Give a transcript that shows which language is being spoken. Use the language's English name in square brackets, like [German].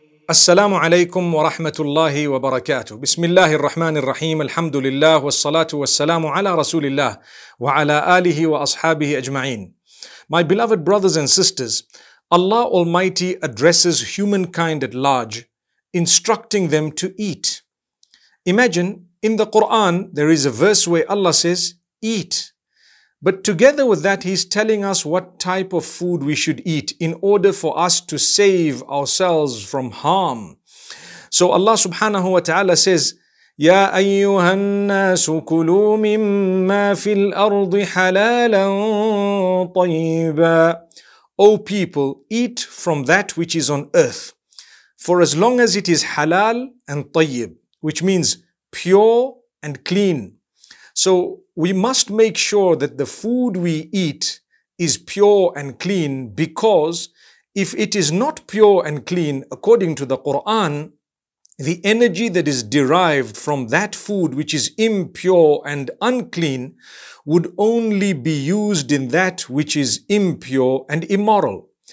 [Arabic] السلام عليكم ورحمة الله وبركاته. بسم الله الرحمن الرحيم. الحمد لله والصلاة والسلام على رسول الله وعلى آله وأصحابه أجمعين. [English] My beloved brothers and sisters, Allah Almighty addresses humankind at large, instructing them to eat. Imagine, in the Quran, there is a verse where Allah says, eat. But together with that, He's telling us what type of food we should eat in order for us to save ourselves from harm. So Allah subhanahu wa ta'ala says, [Arabic] يا أيها الناس كلوا مما في الأرض حلالا طيبا. [English] O people, eat from that which is on earth, for as long as it is halal and tayyib, which means pure and clean. So we must make sure that the food we eat is pure and clean, because if it is not pure and clean, according to the Quran, the energy that is derived from that food which is impure and unclean would only be used in that which is impure and immoral.